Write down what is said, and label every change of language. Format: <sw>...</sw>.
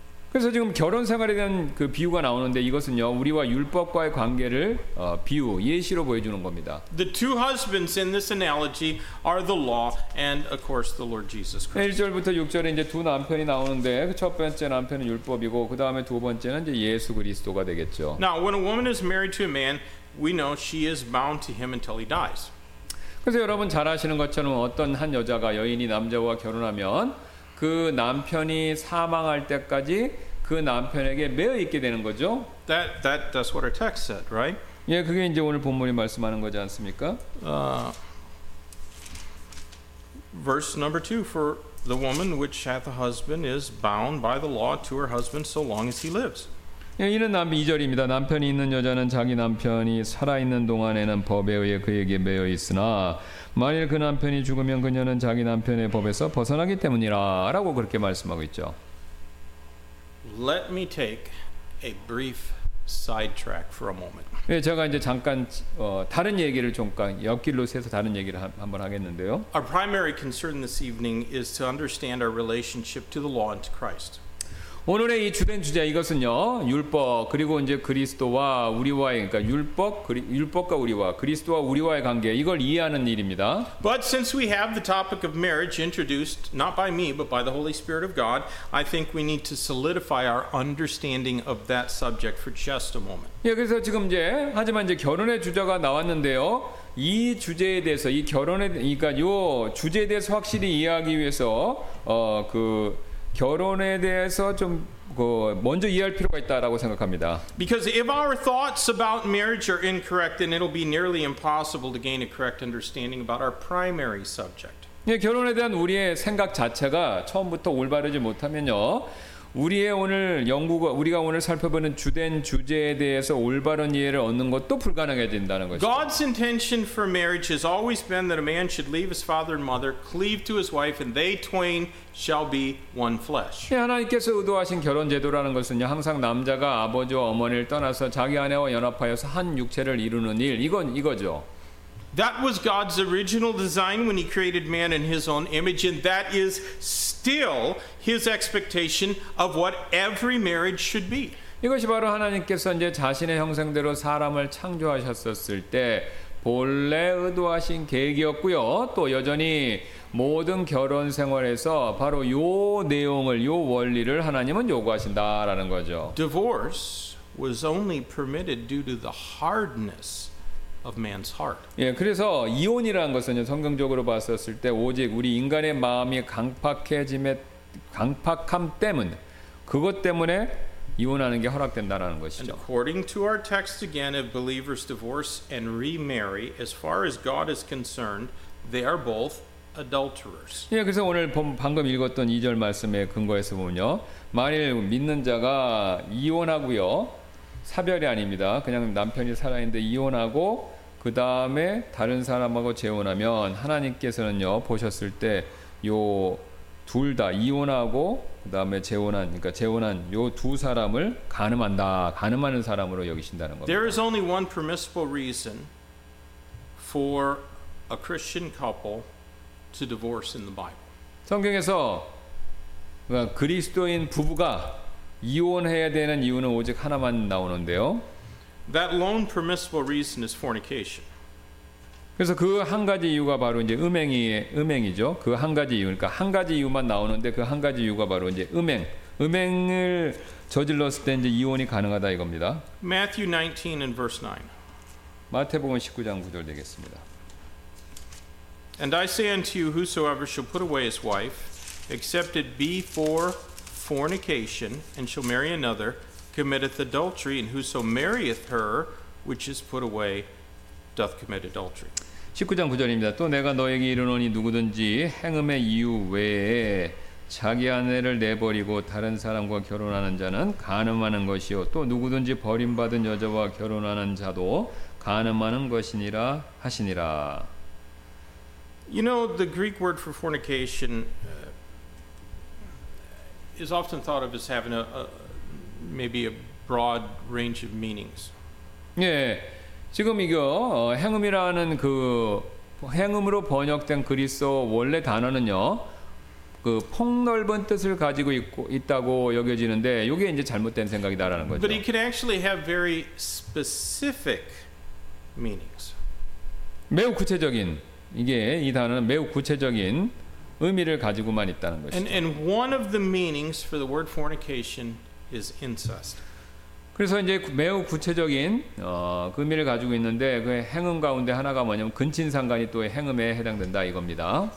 <ko>그래서 지금 결혼 생활에 대한 그 비유가 나오는데 이것은요 우리와 율법과의 관계를 비유 예시로 보여주는 겁니다.</ko> <en>The two husbands in this analogy are the law and, of course, the Lord Jesus Christ.</en> <ko>1절부터 6절에 이제 두 남편이 나오는데 첫 번째 남편은 율법이고 그 다음에 두 번째는 이제 예수 그리스도가 되겠죠.</ko> <en>Now, when a woman is married to a man, we know she is bound to him until he dies.</en> <ko>그래서 여러분 잘 아시는 것처럼 어떤 한 여자가 여인이 남자와 결혼하면 그 남편이 사망할 때까지 그 남편에게 매여 있게 되는 거죠.</ko> <en>That's what our text said, right?</en> <ko>예, 그게 이제 오늘 본문이 말씀하는 거지 않습니까?</ko> <en>Verse number 2, for the woman which hath a husband is bound by the law to her husband so long as he lives.</en> <ko>예, 이는 2절입니다. 남편이 있는 여자는 자기 남편이 살아있는 동안에는 법에 의해 그에게 매여 있으나 만일 그 남편이 죽으면 그녀는 자기 남편의 법에서 벗어나기 때문이라 라고 그렇게 말씀하고 있죠.</ko> <en>Let me take a brief sidetrack for a moment.</en> <ko>예, 제가 이제 잠깐 다른 얘기를 잠깐 옆길로 세서 다른 얘기를 한번 하겠는데요.</ko> <en>Our primary concern this evening is to understand our relationship to the law and to Christ.</en> <ko>오늘의 이 주된 주제 이것은요 율법 그리고 이제 그리스도와 우리와의 그러니까 율법과 우리와 그리스도와 우리와의 관계 이걸 이해하는 일입니다.</ko> <en>But since we have the topic of marriage introduced not by me but by the Holy Spirit of God, I think we need to solidify our understanding of that subject for just a moment.</en> <ko>예, 그래서 지금 이제 하지만 이제 결혼의 주제가 나왔는데요. 이 주제에 대해서 이 결혼의 그러니까 요 주제에 대해서 확실히 이해하기 위해서 결혼에 대해서 좀 먼저 이해할 필요가 있다라고 생각합니다.</ko> <en>Because if our thoughts about marriage are incorrect, then it'll be nearly impossible to gain a correct understanding about our primary subject.</en> <ko>예, 결혼에 대한 우리의 생각 자체가 처음부터 올바르지 못하면요, 우리의 오늘 연구가 우리가 오늘 살펴보는 주된 주제에 대해서 올바른 이해를 얻는 것도 불가능해진다는 것이죠.</ko> <en>God's intention for marriage has always been that a man should leave his father and mother, cleave to his wife, and they twain shall be one flesh.</en> <ko>예, 하나님께서 의도하신 결혼 제도라는 것은요, 항상 남자가 아버지와 어머니를 떠나서 자기 아내와 연합하여서 한 육체를 이루는 일, 이거죠.</ko> <en>That was God's original design when he created man in his own image, and that is still his expectation of what every marriage should be.</en> <ko>이것이 바로 하나님께서 이제 자신의 형상대로 사람을 창조하셨었을 때 본래 의도하신 계획이었고요. 또 여전히 모든 결혼 생활에서 바로 요 내용을 요 원리를 하나님은 요구하신다라는 거죠.</ko> <en>Divorce was only permitted due to the hardness of man's heart.</en> <ko>예, 그래서 이혼이라는 것은요 성경적으로 봤었을 때 오직 우리 인간의 마음이 강팍해짐의 강팍함 때문, 그것 때문에 이혼하는 게 허락된다라는 것이죠.</ko> <en>And according to our text again, if believers divorce and remarry, as far as God is concerned, they are both adulterers.</en> <ko>예, 그래서 오늘 방금 읽었던 2절 말씀에 근거해서 보면요, 만일 믿는 자가 이혼하고요. 사별이 아닙니다. 그냥 남편이 살아있는데 이혼하고 그 다음에 다른 사람하고 재혼하면 하나님께서는요 보셨을 때 요 둘 다 이혼하고 그 다음에 재혼한 그러니까 재혼한 요 두 사람을 가늠한다, 가늠하는 사람으로 여기신다는 겁니다.</ko> <en>There is only one permissible reason for a Christian couple to divorce in the Bible.</en> <ko>성경에서 그리스도인 부부가 이혼해야 되는 이유는 오직 하나만 나오는데요.</ko> <en>That lone permissible reason is fornication.</en> <ko>그래서 그 한 가지 이유가 바로 이제 음행이죠. 그 한 가지 이유, 그러니까 한 가지 이유만 나오는데 그 한 가지 이유가 바로 이제 음행. 음행을 저질렀을 때 이제 이혼이 가능하다 이겁니다.</ko> <en>Matthew 19 and verse 9.</en> <ko>마태복음 19장 9절 되겠습니다.</ko> <en>And I say unto you, whosoever shall put away his wife, except it be for fornication, and shall marry another, committeth adultery, and whoso marrieth her, which is put away, doth commit adultery.</en> <ko>19장 9절입니다. 또 내가 너에게 이르노니 누구든지 행음의 이유 외에 자기 아내를 내버리고 다른 사람과 결혼하는 자는 간음하는 것이요 또 누구든지 버림받은 여자와 결혼하는 자도 가늠하는 것이니라 하시니라.</ko> <en>You know, the Greek word for fornication is often thought of as having maybe a broad range of meanings.</en> <ko>예, 지금 이거 행음이라는 그 행음으로 번역된 그리스어 원래 단어는요, 그 폭넓은 뜻을 가지고 있다고 여겨지는데 이게 이제 잘못된 생각이다라는 거죠.</ko> <en>But it can actually have very specific meanings.</en> <ko>매우 구체적인 이게 이 단어는 매우 구체적인 의미를 가지고만 있다는 것이죠.</ko> <en>And one of the meanings for the word fornication is incest.</en> <ko>그래서 이제 매우 구체적인 그 의미를 가지고 있는데 그 행음 가운데 하나가 뭐냐면 근친상간이 또 행음에 해당된다 이겁니다.</ko>